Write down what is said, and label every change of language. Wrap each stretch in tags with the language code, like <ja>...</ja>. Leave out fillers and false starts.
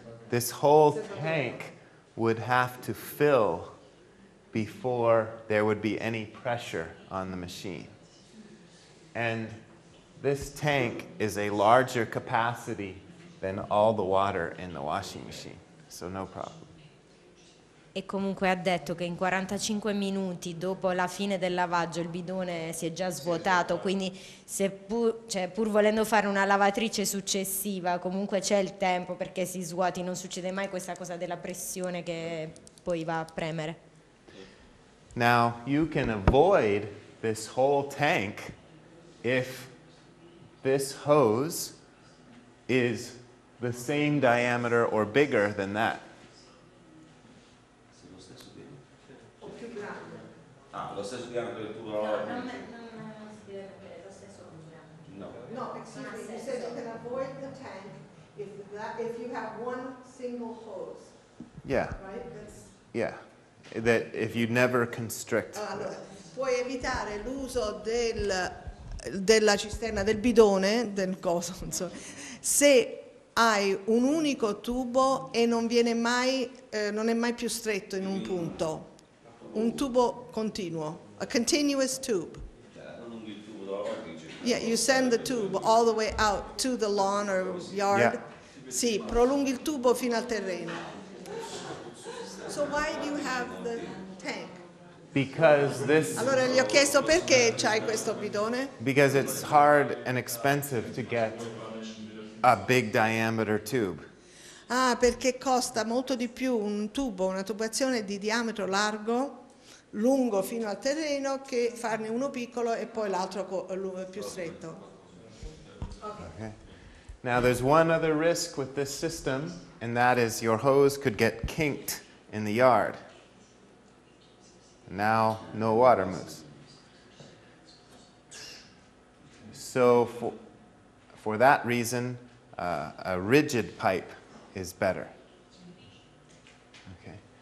<en>This whole tank would have to fill before there would be any pressure on the machine. And this tank is a larger capacity than all the water in the washing machine, so no problem.</en> <it>E comunque ha detto che in 45 minuti dopo la fine del lavaggio il bidone si è già svuotato, quindi pur volendo fare una lavatrice successiva, comunque c'è il tempo perché si svuoti, non succede mai questa cosa della pressione che poi va a premere.</it> <en>Now, you can avoid this whole tank if this hose is the same diameter or bigger than that.</en> <it>Ah, lo stesso diametro del tubo.</it> <en>No, excuse me. You said you can avoid the tank if you have one single hose. Yeah. Right? That if you never constrict.</en> <it>Puoi evitare l'uso della cisterna, del bidone, del coso, non so, se hai un unico tubo e non viene mai, non è mai più stretto in un punto. Un tubo continuo,</it> <en>a continuous tube. Yeah, you send the tube all the way out to the lawn or yard. Yeah.</en> <it>Sì, prolunghi il tubo fino al terreno.</it> <en>So why do you have the tank? Because this.</en> <it>Allora gli ho chiesto perché c'hai questo bidone.</it> <en>Because it's hard and expensive to get a big diameter tube.</en> <it>Ah, perché costa molto di più un tubo, una tubazione di diametro largo, lungo fino al terreno, che farne uno piccolo e poi l'altro più stretto.</it> <en>Okay. Now there's one other risk with this system, and that is your hose could get kinked in the yard. Now no water moves. So for that reason, a rigid pipe is better. Okay.</en>